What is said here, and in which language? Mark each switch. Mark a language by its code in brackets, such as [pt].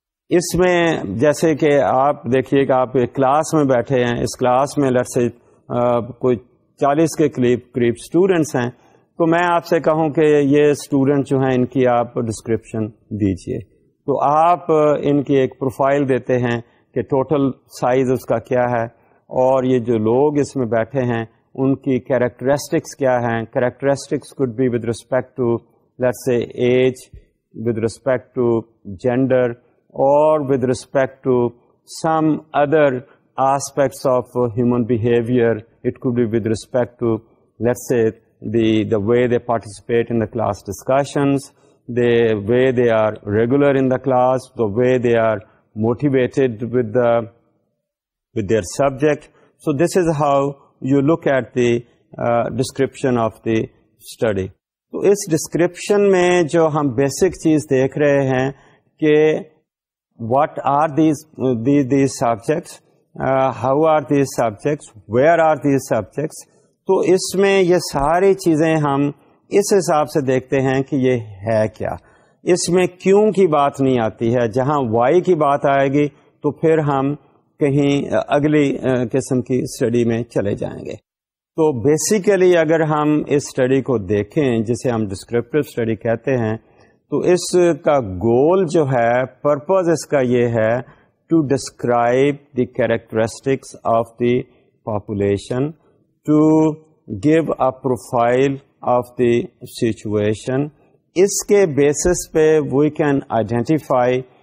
[ur] اس میں جیسے کہ آپ دیکھیے کہ آپ ایک کلاس میں بیٹھے ہیں, اس کلاس میں لیٹس سے کوئی 40 کے قریب اسٹوڈنٹس ہیں, تو میں آپ سے کہوں کہ یہ اسٹوڈنٹ جو ہیں ان کی آپ ڈسکرپشن دیجیے, تو آپ ان کی ایک پروفائل دیتے ہیں کہ ٹوٹل سائز اس کا کیا ہے اور یہ جو لوگ اس میں بیٹھے ہیں ان کی کریکٹرسٹکس کیا ہیں. [en] Characteristics could be with respect to let's say age, with respect to gender اور with respect to some other aspects of human behavior. It could be with respect to, let's say, the way they participate in the class discussions, the way they are regular in the class, the way they are motivated with their subject. So this is how you look at the description of the study. [ur] So is description mein jo hum basic cheez dekh rahe hain ke [en] what are these subjects, how are these subjects, where are these subjects. [ur] تو اس میں یہ ساری چیزیں ہم اس حساب سے دیکھتے ہیں کہ یہ ہے کیا, اس میں کیوں کی بات نہیں آتی ہے. جہاں وائی کی بات آئے گی تو پھر ہم کہیں اگلی قسم کی اسٹڈی میں چلے جائیں گے. تو بیسیکلی اگر ہم اس اسٹڈی کو دیکھیں جسے ہم ڈسکرپٹیو اسٹڈی کہتے ہیں تو اس کا گول جو ہے پرپز اس کا یہ ہے [en] to describe the characteristics of the population to give a profile of the situation [ur] اس کے بیسس پہ [en] we can identify